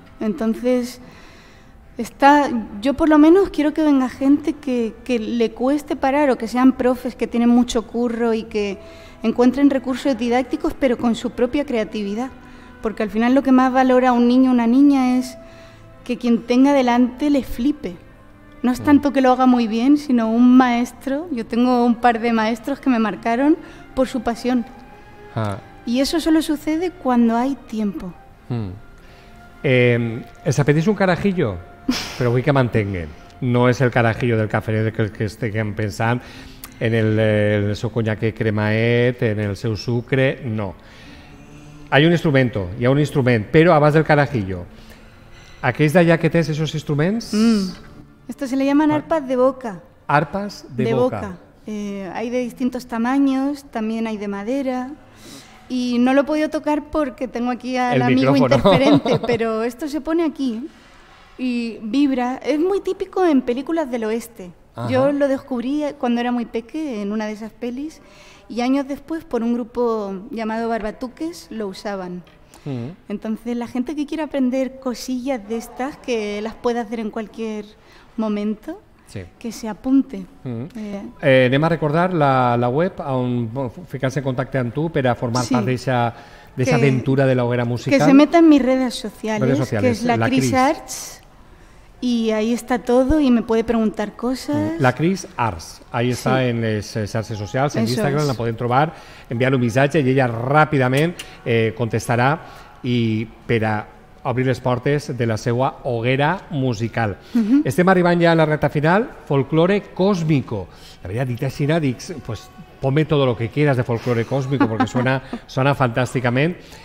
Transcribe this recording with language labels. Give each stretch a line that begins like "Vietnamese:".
Spanish: Entonces, está, yo por lo menos quiero que venga gente que le cueste parar o que sean profes que tienen mucho curro y que encuentren recursos didácticos pero con su propia creatividad, porque al final lo que más valora un niño o una niña es que quien tenga delante le flipe, no es tanto que lo haga muy bien sino un maestro. Yo tengo un par de maestros que me marcaron por su pasión. Y eso solo sucede cuando hay tiempo. ¿Esa pedís un carajillo?
Catalan: Però vull que mantinguin. No és el carajillo del cafè que estiguem pensant en el seu conyac cremaet, en el seu sucre, no. Hi ha un instrument, però abans del carajillo. Aquells d'allà que tens, aquests instruments?
Spanish: Estos se le llaman arpas de boca. Arpas de boca. Hay de distintos tamaños, también hay de madera. Y no lo he podido tocar porque tengo aquí al amigo interferente, pero esto se pone aquí. Y vibra, es muy típico en películas del oeste. Ajá. Yo lo descubrí cuando era muy peque en una de esas pelis y años después por un grupo llamado Barbatuques lo usaban. Entonces la gente que quiere aprender cosillas de estas, que las pueda hacer en cualquier momento, que se apunte.
Catalan: Anem a recordar la web on ficarse en contacte amb tu per a formar part d'aquesta aventura de la hoguera musical.
Spanish: Que se meta en mis redes sociales,
Catalan: que és la Cris Arts.
Spanish: Y ahí está todo y me puede preguntar cosas.
Catalan: La Cris Arts,
Spanish: ahí está en las
Catalan: xarxes socials, en Instagram, la podem trobar, enviar un missatge i ella ràpidament contestarà i per a obrir les portes de la seva hoguera musical. Estem arribant ja a la recta final, folclore cósmico. La veritat, dit així, dic,
Spanish: pues ponme todo lo que quieras de folclore cósmico porque suena fantásticament.